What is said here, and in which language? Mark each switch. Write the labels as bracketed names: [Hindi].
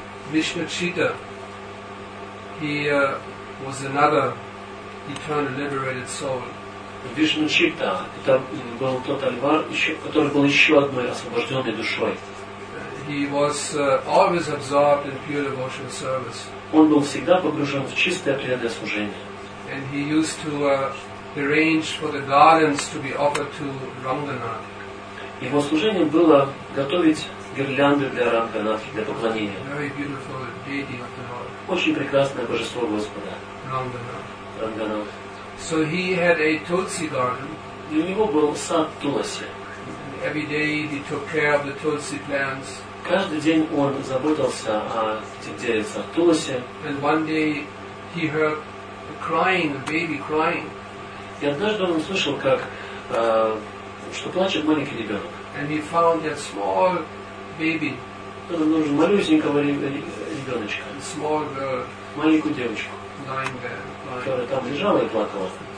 [English] Vishvachita, he was another eternal liberated soul. [Russian] Vishvachita, это был тот альвар, который был еще одной освобожденной душой. [English] He was always absorbed in pure devotional service. [Russian] Он был всегда погружен в чистое преданное служение. [English] And he used to arrange for the garlands to be offered to Ranganath. [Russian] Его служение было готовить гирлянды для Ранганатхи, для поклонения. [English] Very beautiful deity of the Lord. [Russian] Очень прекрасное божество Господа. Ранганат. Ранганат. [English] So he had a tulsi garden. [Russian] И у него был сад туласи. [English] Every day he took care of the tulsi plants. [Russian] Каждый день он заботился о деревцах туласи. [English] And one day he heard crying, a baby crying. [Russian] И однажды он услышал, как что плачет маленький ребенок. [English] And he found that small baby. [Russian] Ну, малюсенького ребеночка. [English] Small girl. [Russian] Маленькую девочку. [English] Lying there, lying. [Russian] Которая там лежала и плакала.